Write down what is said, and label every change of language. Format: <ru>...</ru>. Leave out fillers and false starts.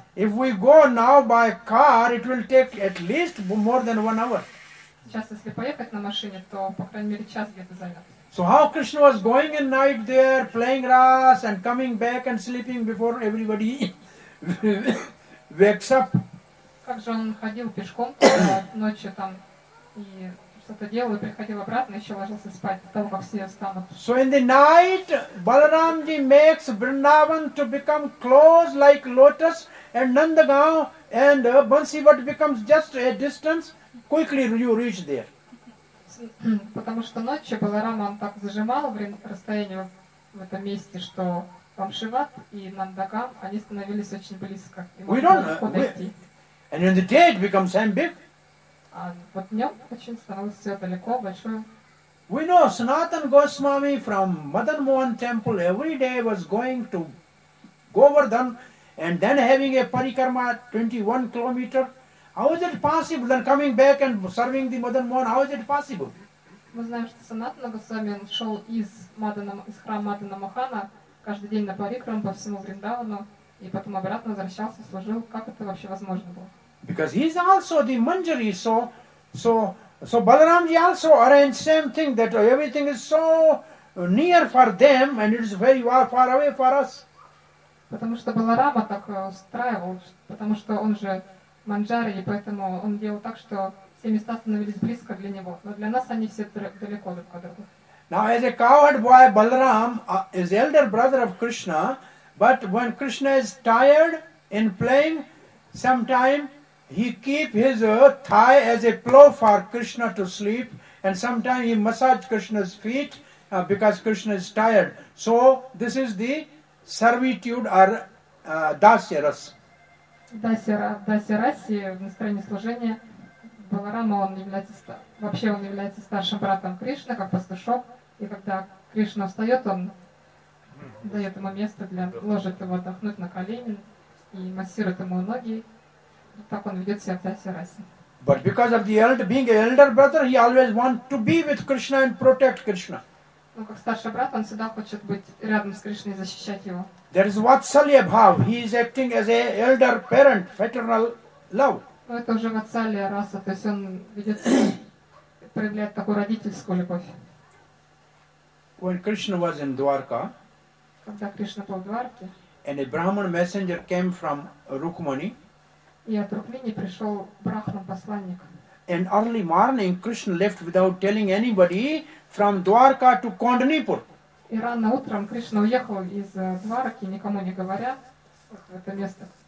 <en>If we go now by car, it will take at least more than 1 hour.</en> <ru>Сейчас, если поехать на машине, то по крайней мере час где-то займет.</ru> <en>So how Krishna was going at night there, playing ras and coming back and sleeping before everybody wakes up?</en> <ru>Как же он ходил пешком ночью там и что-то делал, и приходил обратно, еще ложился спать, потом как все встанут.</ru> <en>So in the night, Balaramji makes Vrindavan to become closed like lotus, and Nandagaon and Bansiwat becomes just a distance, quickly you reach there.</en> <ru>Потому что ночью Баларама он так зажимал расстояние в этом месте, что Памшиват и Нандагам они становились очень близко.</ru> <en>We don't and in the day it becomes same big.</en> <ru>А вот днем очень становилось все далеко, большое.</ru> <en>We know Sanatan Goswami from Madan Mohan Temple every day was going to Govardhan and then having a parikarma 21 kilometer. How is it possible? Then coming back and serving the Madan Mohan, how is it possible?</en> <ru>Мы знаем, что Санатана Госвами шел из храма Мадана Мохана каждый день на парикрам по всему Вриндавану и потом обратно возвращался, служил. Как это вообще возможно было?</ru> <en>Because he is also the Manjari, so Balaramji also arranged same thing, that everything is so near for them and it is very far away for us.</en> <ru>Потому что Баларама так устраивал, потому что он же Манджари, и поэтому он делал так, что все места становились близко для него. Но для нас они все далеко друг от друга.</ru> <en>Now, as a cowherd boy, Balaram is elder brother of Krishna, but when Krishna is tired in playing, sometime he keep his thigh as a pillow for Krishna to sleep, and sometime he massage Krishna's feet because Krishna is tired. So, this is the servitude or dasya rasa.</en> <ru>Даси-раси в настроении служения Баларама, он является старшим братом Кришны, как пастушок, и когда Кришна встает, он дает ему место, ложит его отдохнуть на колени и массирует ему ноги. И так он ведет себя в Даси-раси.</ru> <en>But because of the elder, being an elder brother, he always wants to be with Krishna and protect Krishna.</en> <ru>Ну, как старший брат, он всегда хочет быть рядом с Кришной и защищать его.</ru> <en>There is Vatsalya Bhav. He is acting as a elder parent, fraternal love.</en> <ru>Это уже Vatsalya Rasa, то есть он ведет себя, проявляет такую родительскую любовь.</ru> <en>When Krishna was in Dwarka,</en> <ru>когда Кришна был в Дварке,</ru> <en>and a Brahman messenger came from Rukmani,</en> <ru>и от Рукмини пришел Брахман-посланник.</ru> <en>in early morning, Krishna left without telling anybody from Dwarka to Kondnipur.</en> <ru>И рано утром Кришна уехал из Двараки, никому не говоря, в это место.</ru>